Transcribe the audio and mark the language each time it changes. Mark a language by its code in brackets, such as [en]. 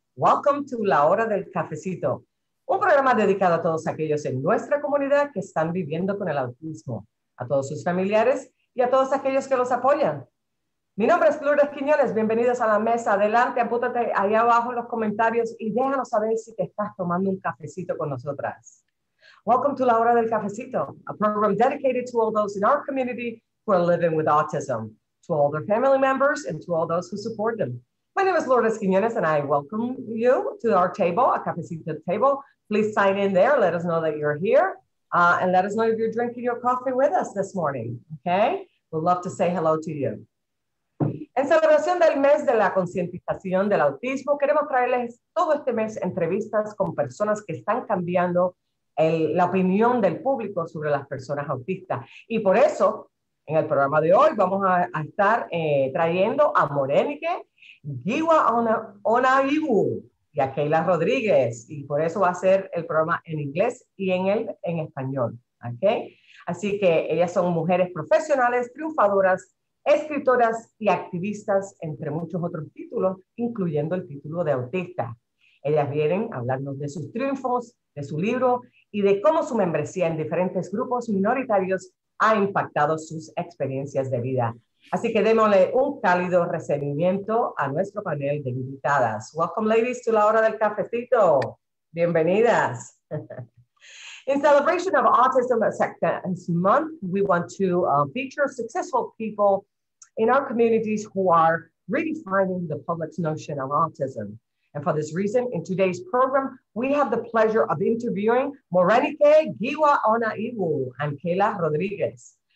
[en] Welcome to [es] La Hora del Cafecito, un programa dedicado a todos aquellos en nuestra comunidad que están viviendo con el autismo, a todos sus familiares y a todos aquellos que los apoyan. Mi nombre es Lourdes Quiñones. Bienvenidos a la mesa. Adelante, apúntate ahí abajo en los comentarios y déjanos saber si te estás tomando un cafecito con nosotras. [en] Welcome to La Hora del Cafecito, a program dedicated to all those in our community who are living with autism, to all their family members, and to all those who support them. My name is Lourdes Quiñones, and I welcome you to our table, a cafecito table. Please sign in there. Let us know that you're here, and let us know if you're drinking your coffee with us this morning, okay? We'd love to say hello to you. [es] En celebración del mes de la concientización del autismo, queremos traerles todo este mes entrevistas con personas que están cambiando la opinión del público sobre las personas autistas. Y por eso, en el programa de hoy, vamos a estar trayendo a Morenike Giwa Onayiwu y a Keila Rodríguez. Y por eso va a ser el programa en inglés y en español. ¿Okay? Así que ellas son mujeres profesionales, triunfadoras, escritoras y activistas, entre muchos otros títulos, incluyendo el título de autista. Ellas vienen a hablarnos de sus triunfos, de su libro y de cómo su membresía en diferentes grupos minoritarios ha impactado sus experiencias de vida. Así que démosle un cálido recibimiento a nuestro panel de invitadas. [en] Welcome, ladies, to La Hora del Cafecito. Bienvenidas. In celebration of Autism Acceptance Month, we want to feature successful people in our communities who are redefining the public's notion of autism. And for this reason, in today's program, we have the pleasure of interviewing Morenike Giwa Onayiwu and Keila Rodríguez.